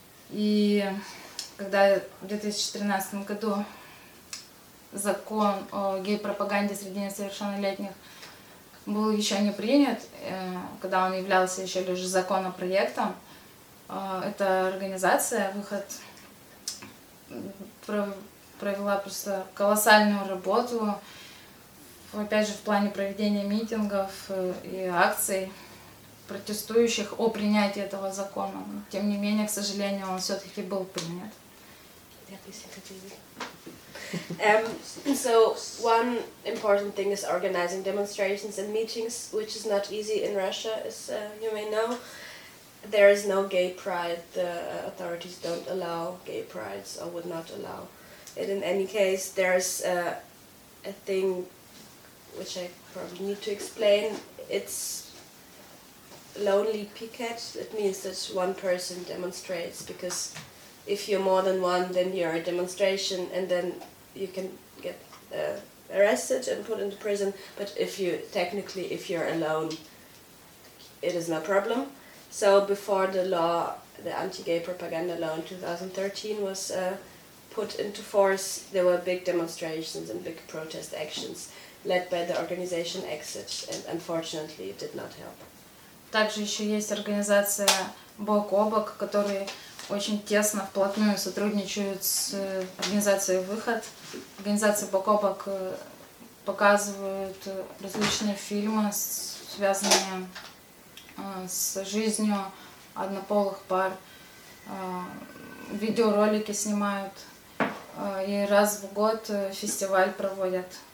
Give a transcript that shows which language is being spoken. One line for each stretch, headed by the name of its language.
Russian: И когда в 2013 году закон о гей-пропаганде среди несовершеннолетних был еще не принят, когда он являлся еще лишь законопроектом, эта организация «Выход» провела просто колоссальную работу, опять же, в плане проведения митингов и акций протестующих о принятии этого закона. Но, тем не менее, к сожалению, он все-таки был принят.
English: So one important thing is organizing demonstrations and meetings, which is not easy in Russia, as you may know. There is no gay pride. The authorities don't allow gay prides or would not allow it. In any case, there is a thing which I probably need to explain. It's lonely picket. It means that one person demonstrates, because if you're more than one, then you're a demonstration, and then you can get arrested and put into prison. But if you technically, if you're alone, it is no problem. So before the law, the anti-gay propaganda law in 2013 was put into force, there were big demonstrations and big protest actions led by the organization Exit, and unfortunately it did not help.
Russian: Также еще есть организация Бок о Бок, которые очень тесно, вплотную сотрудничают с организацией Выход. Организация Бок о Бок показывают различные фильмы, связанные с жизнью однополых пар, видеоролики снимают, и раз в год фестиваль проводят.